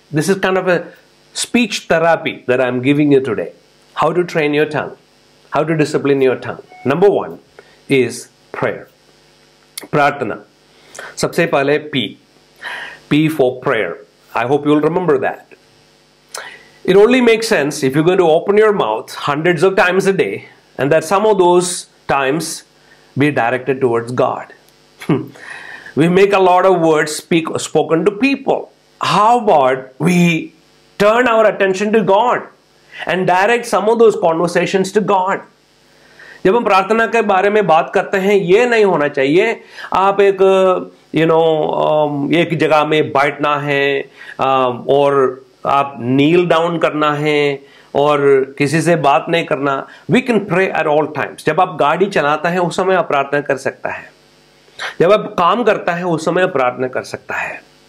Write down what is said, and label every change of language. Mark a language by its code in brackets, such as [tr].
[en] This is kind of a speech therapy that I am giving you today. How to train your tongue, how to discipline your tongue. Number 1 is prayer, प्रार्थना. [hi] सबसे पहले [en] P for prayer. I hope you will remember that. It only makes sense if you're going to open your mouth hundreds of times a day and that some of those times be directed towards God. We make a lot of words spoken to people. How about we turn our attention to God and direct some of those conversations to God? [hi] जब हम प्रार्थना के बारे में बात करते हैं ये नहीं होना चाहिए आप एक यू नो एक जगह में बैठना है और आप नील डाउन करना है और किसी से बात नहीं करना. [en] We can pray at all times. [hi] जब आप गाड़ी चलाता है उस समय आप प्रार्थना कर सकता है, जब आप काम करता है उस समय आप प्रार्थना कर सकता है.